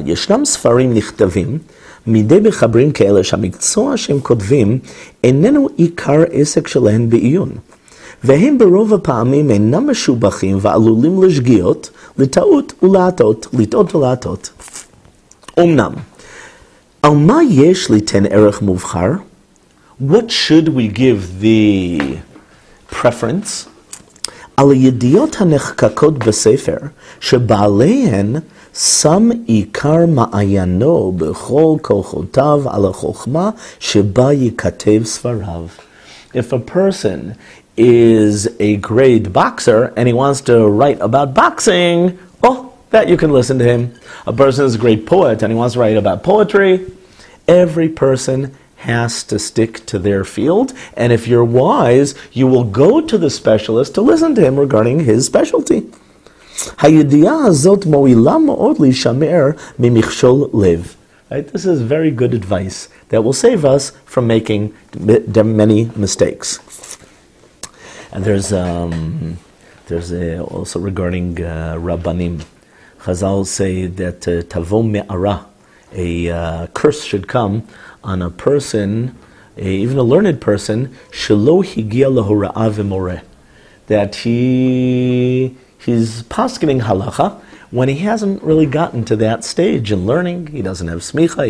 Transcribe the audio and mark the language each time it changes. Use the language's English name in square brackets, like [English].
[Hebrew] ישנם ספרים נכתבים מדי מחברים כאלה שהמקצוע שהם כותבים איננו עיקר עסק שלהם בעיון. והם ברוב הפעמים אינם משובחים ועלולים לשגיאות, לטעות ולעטות, לטעות ולעטות. אמנם, על מה יש לתן ערך מובחר? [English] What should we give the preference? [Hebrew] על הידיעות הנחקקות בספר, שבעליהן שם עיקר מעיינו בכל כוחותיו על החוכמה שבה יכתב ספריו. [English] If a person is a great boxer and he wants to write about boxing, oh, that you can listen to him. A person is a great poet and he wants to write about poetry. Every person has to stick to their field, and if you're wise, you will go to the specialist to listen to him regarding his specialty. [Hebrew] הידיעה הזאת מועילה מאוד להישמר ממכשול לב. [English] Right? This is very good advice that will save us from making many mistakes. And there's also regarding Rabbanim. Chazal say that [Hebrew] Tavom Me'ara, [English] a curse should come on a person, even a learned person, [Hebrew] Shelo Higia Lahura'a V'more, [English] that he's paskening halacha when he hasn't really gotten to that stage in learning. He doesn't have smicha.